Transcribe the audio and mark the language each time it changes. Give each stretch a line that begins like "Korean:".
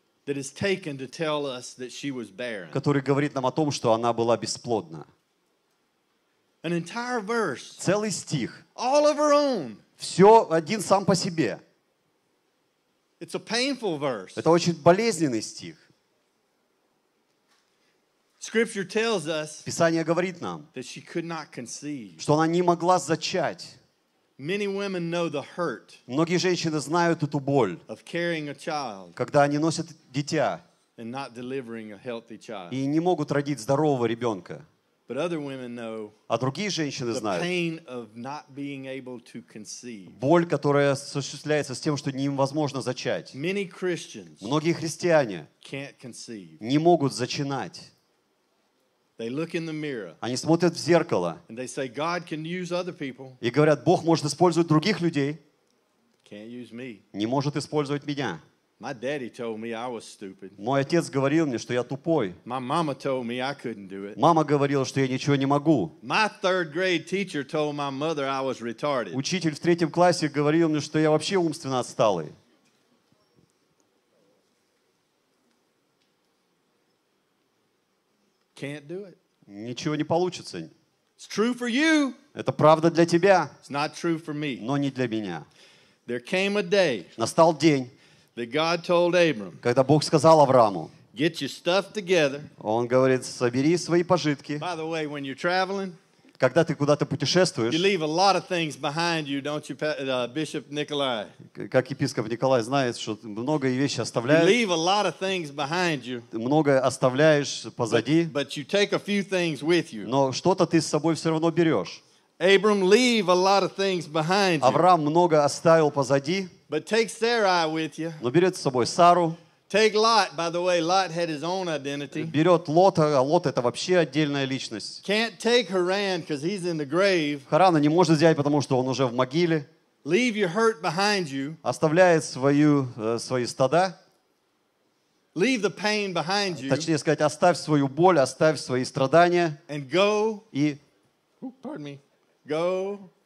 English: That is taken to tell us that she was barren.
Russian: Который говорит нам о том, что она была бесплодна.
English: An entire verse.
Russian: Целый стих.
English: All of her own.
Russian: Все один сам по себе.
English: It's a painful verse.
Russian: Это очень болезненный стих.
English: Scripture tells us
Russian: Писание говорит нам,
English: that she could not conceive.
Russian: Что она не могла зачать.
English: Many women know the hurt.
Russian: Многие женщины знают эту боль.
English: Of carrying a child.
Russian: Когда они носят дитя.
English: And not delivering a healthy child.
Russian: И не могут родить здорового ребенка.
English: But other women know.
Russian: А другие женщины знают.
English: The pain of not being able to conceive.
Russian: Боль, которая осуществляется с тем, что невозможно зачать.
English: Many Christians.
Russian: Многие христиане.
English: Can't conceive.
Russian: Не могут зачинать.
English: They look in the mirror.
Russian: Они смотрят в зеркало.
English: And they say, God can use other people.
Russian: И говорят, Бог может использовать других людей.
English: Can't use me.
Russian: Не может использовать меня.
English: My daddy told me I was stupid.
Russian: Мой отец говорил мне, что я тупой.
English: My mama told me I couldn't do it.
Russian: Мама говорила, что я ничего не могу.
English: My third grade teacher told my mother I was retarded.
Russian: Учитель в третьем классе говорил мне, что я вообще умственно отсталый.
English: Can't do it.
Russian: Ничего не получится.
English: It's true for you.
Russian: Это правда для тебя.
English: It's not true for me.
Russian: Но не для меня.
English: There came a day.
Russian: Настал день.
English: That God told Abram.
Russian: Когда Бог сказал Аврааму.
English: Get your stuff together.
Russian: Он говорит, собери свои пожитки.
English: By the way, when you're traveling.
Russian: Когда ты куда-то путешествуешь.
English: You leave a lot of things behind you, don't you, Bishop Nikolai?
Russian: Как епископ Николай знает, что многое вещи оставляешь.
English: You leave a lot of things behind you.
Russian: Многое оставляешь позади.
English: But you take a few things with you.
Russian: Но что-то ты с собой все равно берешь.
English: Abram, leave a lot of things behind you.
Russian: Авраам много оставил позади.
English: But take Sarai with you.
Russian: Но берет с собой Сару.
English: Take Lot, by the way, Lot had his own identity.
Russian: Берет Лота, а Лот это вообще отдельная личность.
English: Can't take Haran because he's in the grave.
Russian: Харана не может взять, потому что он уже в могиле.
English: Leave your hurt behind you.
Russian: Оставляет свои стада.
English: Leave the pain behind you.
Russian: Точнее сказать, оставь свою боль, оставь свои страдания.
English: And go.
Russian: И,
English: pardon me, go